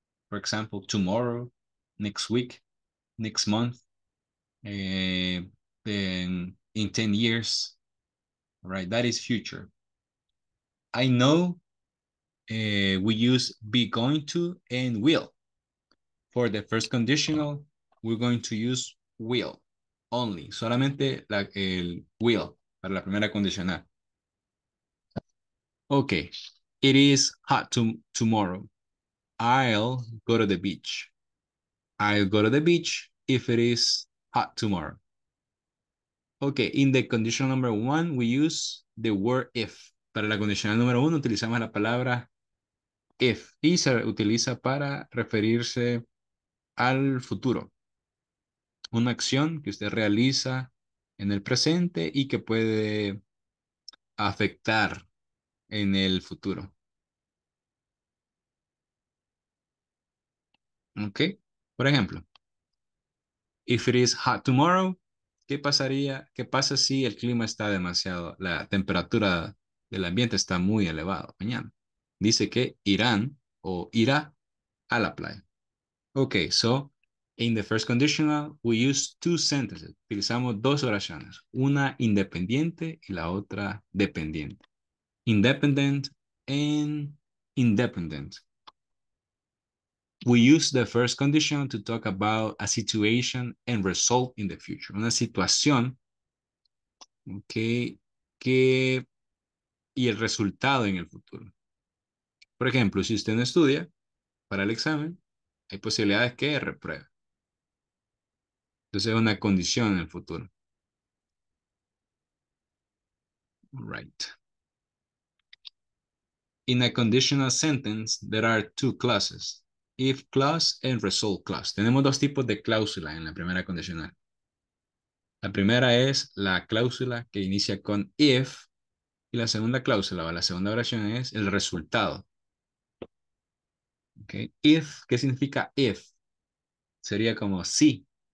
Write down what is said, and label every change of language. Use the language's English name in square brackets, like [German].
[English] For example, tomorrow, next week, next month, then in 10 years, right? That is future. I know we use be going to and will. For the first conditional, we're going to use will only. [Spanish] Solamente la, el will para la primera condicional. [English] Okay, it is hot tomorrow. I'll go to the beach. I'll go to the beach if it is hot tomorrow. Okay, in the conditional number one, we use the word if. [Spanish] Para la condicional número uno, utilizamos la palabra if. Y se utiliza para referirse al futuro. Una acción que usted realiza en el presente y que puede afectar en el futuro. [English] Ok, [Spanish] por ejemplo, [English] if it is hot tomorrow, [Spanish] ¿qué pasaría? ¿Qué pasa si el clima está demasiado, la temperatura del ambiente está muy elevado mañana? Dice que irán o irá a la playa. [English] Ok, so in the first conditional, we use two sentences. [Spanish] Utilizamos dos oraciones, una independiente y la otra dependiente. [English] Independent and independent. We use the first conditional to talk about a situation and result in the future. [Spanish] Una situación, okay, que y el resultado en el futuro. Por ejemplo, si usted no estudia para el examen, hay posibilidades que repruebe. Entonces es una condición en el futuro. [English] Right. In a conditional sentence, there are two clauses. If clause and result clause. [Spanish] Tenemos dos tipos de cláusula en la primera condicional. La primera es la cláusula que inicia con if. Y la segunda cláusula o la segunda oración es el resultado. Okay. If, ¿qué significa if? Sería como si.